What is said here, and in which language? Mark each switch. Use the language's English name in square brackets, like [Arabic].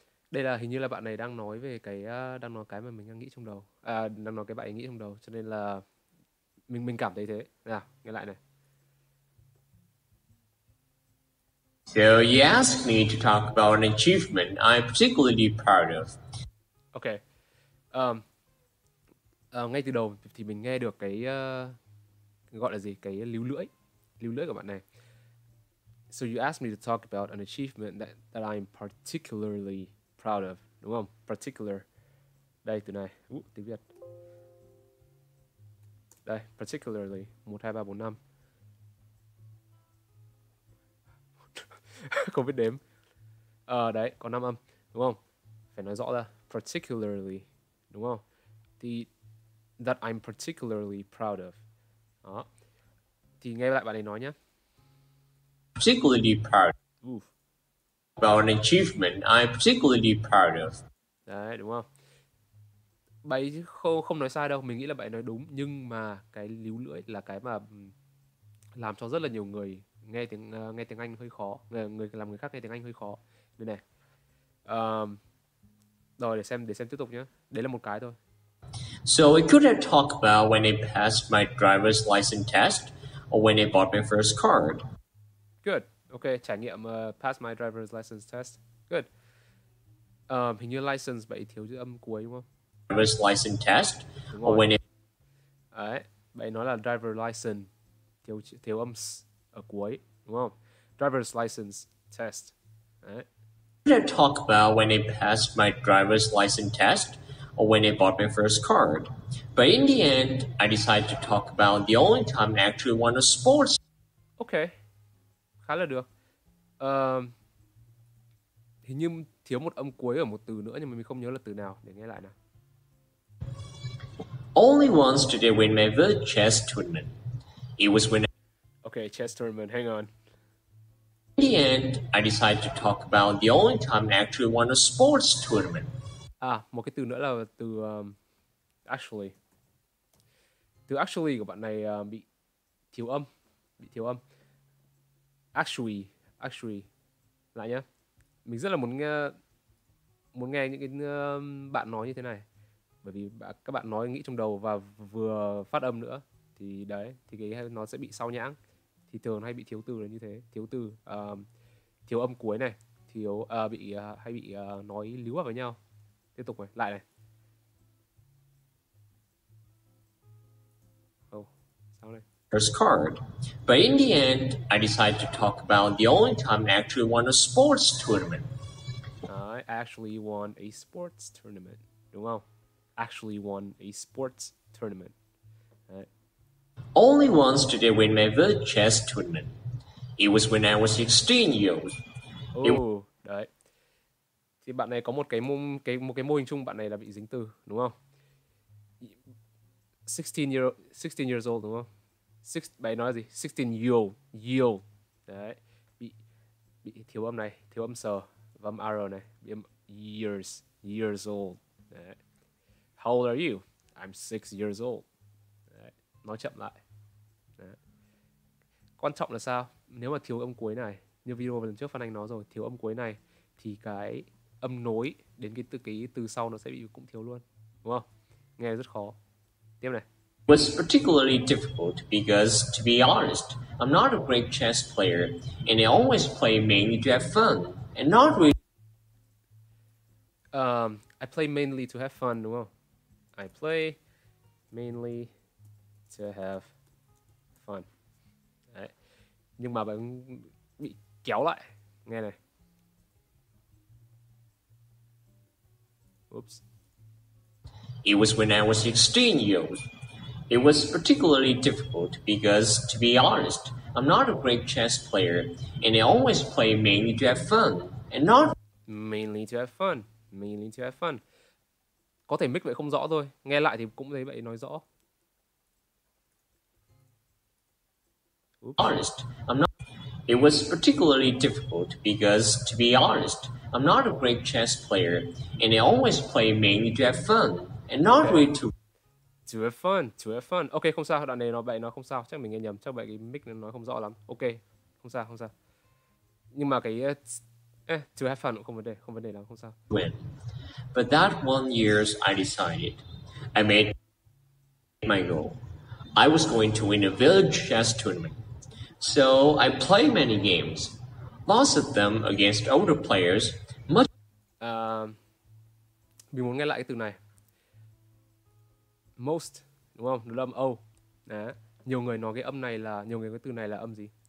[Vietnamese] Đây là hình như là bạn này đang nói về cái mà mình đang nghĩ trong đầu. Đang nói cái bạn ấy nghĩ trong đầu, cho nên là mình cảm thấy thế. Nào, nghe lại này. [English] So you asked me to talk about an achievement I'm particularly proud of. Okay. [Vietnamese] Ngay từ đầu thì mình nghe được cái gọi là gì? Cái líu lưỡi của bạn này. [English] So you asked me to talk about an achievement that I'm particularly proud of, [Vietnamese] đúng không? Particular. Đây từ này. Tiếng Việt. Đây, particularly 1 2 3 4 5. Không biết đếm. Đấy, có 5 âm, đúng không? Phải nói rõ là particularly, đúng không? [English] Thì that I'm particularly proud of. [Vietnamese] Đó. Thì nghe lại bạn ấy nói nhé. [English] Particularly proud. Oof. About an achievement I'm particularly proud of. [Vietnamese] Đấy, đúng không? Bạn ấy không nói sai đâu. Mình nghĩ là bạn ấy nói đúng. Nhưng mà cái líu lưỡi là cái mà làm cho rất là nhiều người nghe tiếng Anh hơi khó, người làm người khác nghe tiếng Anh hơi khó. Đây này. Rồi để xem tiếp tục nhé. Đấy là một cái thôi. [English] So I could have talked about when I passed my driver's license test or when I bought my first card. Good. Okay, [Vietnamese] trải nghiệm [English] pass my driver's license test. Good. [Vietnamese] Hình như license vậy thiếu chữ âm cuối đúng không? [English] Driver's license test. [Vietnamese] Đúng rồi. [English] Or when it... [Vietnamese] Đấy, vậy nói là driver license thiếu thiếu âm s ở cuối đúng không? [English] Driver's license test. [Vietnamese] Đấy. [English] Could I talk about when I passed my driver's license test or when I bought my first card? But in the end, I decided to talk about the only time I actually won a sports. [Vietnamese] Okay, khá là được. Hình như thiếu một âm cuối ở một từ nữa nhưng mà mình không nhớ là từ nào. Để nghe lại nào. [English] Only once did I win my first chess tournament. It was when. Okay, chess tournament. Hang on. In the end, I decided to talk about the only time I actually won a sports tournament. [Vietnamese] À, một cái từ nữa là từ actually. Từ actually của bạn này bị thiếu âm. Bị thiếu âm. Actually, actually. Lại nhá. Mình rất là muốn nghe những cái bạn nói như thế này. Bởi vì các bạn nói nghĩ trong đầu và vừa phát âm nữa. Thì đấy, thì cái nó sẽ bị sao nhãng. Thì thường hay bị thiếu từ là như thế, thiếu từ, thiếu âm cuối này, thiếu bị hay bị nói líu vào với nhau. Tiếp tục này, lại này. Oh, sao này? [English] First card. But in the end, I decided to talk about the only time I actually won a sports tournament. I actually won a sports tournament, [Vietnamese] đúng không? [English] Actually won a sports tournament. Only once did I win my first chess tournament. It was when I was 16 years old. [Vietnamese] Ồ, đấy. Thì bạn này có một cái mô hình chung bạn này là bị dính từ, đúng không? [English] 16 years old, [Vietnamese] đúng không? Bạn nói gì? [English] 16 years old. Year old. Đấy. [Vietnamese] Bị thiếu âm này, thiếu âm sờ. Và âm R này. Bị âm years. Years old. Đấy. [English] How old are you? I'm 6 years old. [Vietnamese] Nói chậm lại. Đấy. Quan trọng là sao? Nếu mà thiếu âm cuối này, như video lần trước Phan Anh nói rồi, thiếu âm cuối này thì cái âm nối đến cái từ sau nó sẽ bị cũng thiếu luôn. Đúng không? Nghe rất khó. Tiếp này. [English] It was particularly difficult because, to be honest, I'm not a great chess player and I always play mainly to have fun and not really... I play mainly to have fun, [Vietnamese] đúng không? [English] I play mainly... to have fun. [Vietnamese] Đấy. Nhưng mà vẫn bị kéo lại. Nghe này. [English] Oops. It was when I was 16 years. It was particularly difficult because, to be honest, I'm not a great chess player and I always play mainly to have fun and not mainly to have fun. Mainly to have fun. [Vietnamese] Có thể mic vậy không rõ thôi. Nghe lại thì cũng thấy vậy nói rõ. [English] Honest, I'm not. It was particularly difficult because, to be honest, I'm not a great chess player, and I always play mainly to have fun and not okay. Really to. To have fun, to have fun. Okay, [Vietnamese] không sao. Đoạn này nó vậy, nó không sao. Chắc mình nghe nhầm. Chắc vậy cái mic nó nói không rõ lắm. Okay, không sao, không sao. Nhưng mà cái [English] to have fun [Vietnamese] cũng không vấn đề, không vấn đề lắm, không sao. [English] When, but that one year, I decided, I made my goal. I was going to win a village chess tournament. So I play many games, lots of them against older players. Much. [Vietnamese] Mình muốn nghe lại cái từ này. Most, đúng không? Đó là âm O. Đấy. Nhiều người nói cái âm này là nhiều người cái từ này là âm gì?